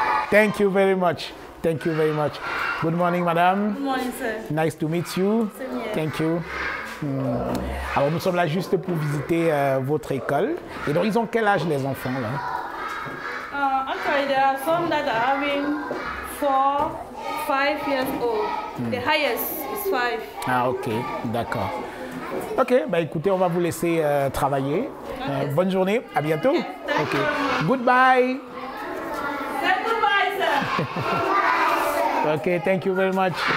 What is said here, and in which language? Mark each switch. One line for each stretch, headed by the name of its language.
English: Thank you very much. Thank you very much. Good morning, madame. Good morning, sir. Nice to meet you. Thank you.
French: Alors, nous sommes là juste pour visiter votre école. Et donc, ils ont quel âge, les enfants, là?
English: Actually, there are some that are having 4, 5 years old. The highest is 5.
French: Ah, OK. D'accord. OK. Bah, écoutez, on va vous laisser travailler. Okay. Bonne journée. À bientôt.
English: Okay. Okay. Goodbye. Say goodbye, sir. Okay, thank you very much.